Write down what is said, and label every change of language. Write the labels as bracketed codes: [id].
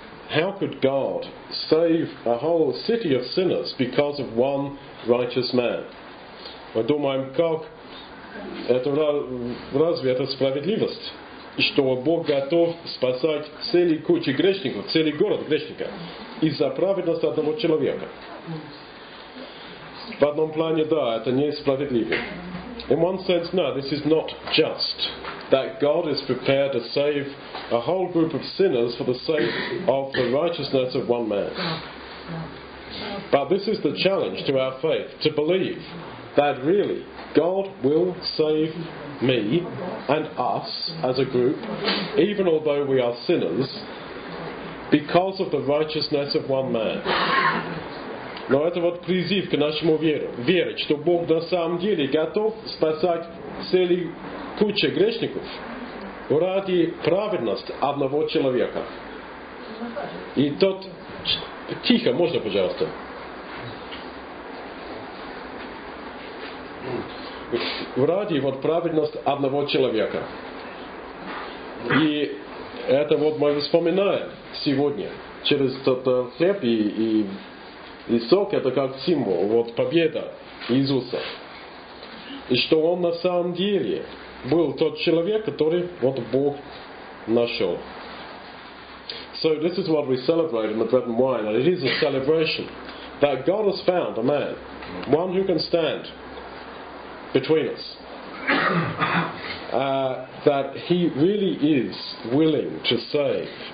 [en] How could God save a whole city of sinners because of one righteous man? [ru] Мы думаем, как это, разве это справедливость, что Бог готов спасать целую кучу грешников, целый город грешников из-за праведности одного человека? В одном плане, да, это несправедливо. [en] In one sense, no, this is not just that God is prepared to save a whole group of sinners for the sake of the righteousness of one man. But this is the challenge to our faith, to believe that really God will save me and us as a group, even although we are sinners, because of the righteousness of one man. [ru] Но это призыв к нашему вере, что Бог на самом деле готов спасать целую кучу грешников ради праведности одного человека. И тот... Тихо, можно, пожалуйста? Ради праведности одного человека. И Это вот мы вспоминаем сегодня через этот хлеб и сок, это как символ, вот победа Иисуса. И что Он на самом деле был тот человек, который вот Бог нашел. [en] So this is what we celebrate in the bread and wine, and it is a celebration that God has found a man, one who can stand between us. That He really is willing to save.